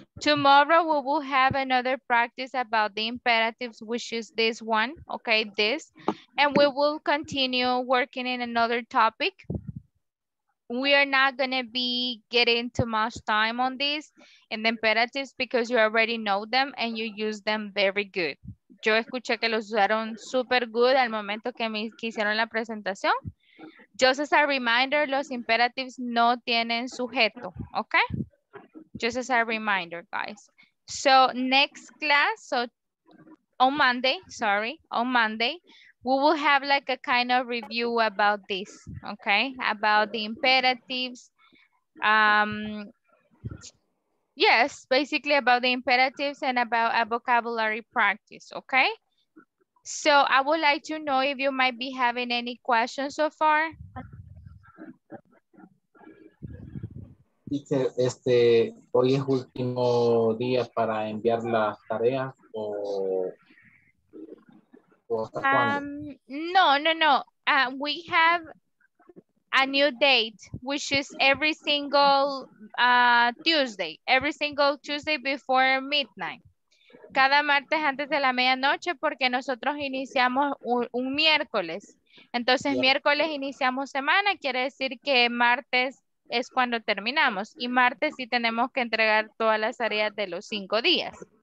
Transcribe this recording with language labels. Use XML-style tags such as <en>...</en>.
<en>Tomorrow we will have another practice about the imperatives, which is this one, okay, this. And we will continue working in another topic. We are not gonna be getting too much time on this in the imperatives because you already know them and you use them very good.</en> <es>Yo escuché que los usaron</es> <en>super good</en> <es>al momento que me hicieron la presentación.</es> <en>Just as a reminder,</en> <es>los imperatives no tienen sujeto,</es> <en>okay? Just as a reminder, guys. So next class, so on Monday, sorry, on Monday, we will have like a kind of review about this, okay? About the imperatives. Yes, basically about the imperatives and about a vocabulary practice, okay? So I would like to know if you might be having any questions so far.</en> <es>Este, hoy es último día para enviar las tareas o No.</es> <en>We have a new date, which is every single Tuesday. Every single Tuesday before midnight.</en> <es>Cada martes antes de la medianoche, porque nosotros iniciamos un miércoles. Entonces, yeah. Miércoles iniciamos semana, quiere decir que martes es cuando terminamos. Y martes sí tenemos que entregar todas las tareas de los 5 días.</es>